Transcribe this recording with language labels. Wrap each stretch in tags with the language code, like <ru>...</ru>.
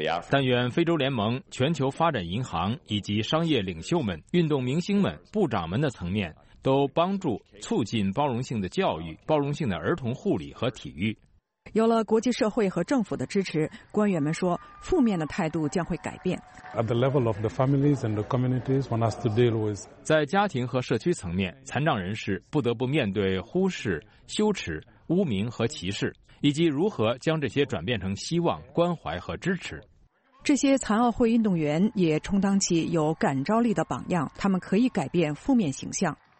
<zh>但愿非洲联盟、全球发展银行以及商业领袖们、运动明星们、部长们的层面都帮助促进包容性的教育、包容性的儿童护理和体育。有了国际社会和政府的支持，官员们说，负面的态度将会改变。</zh> <en>At the level of the families and the communities, one has to deal with.</en> <zh>在家庭和社区层面，残障人士不得不面对忽视、羞耻、污名和歧视，以及如何将这些转变成希望、关怀和支持。这些残奥会运动员也充当起有感召力的榜样，他们可以改变负面形象。</zh>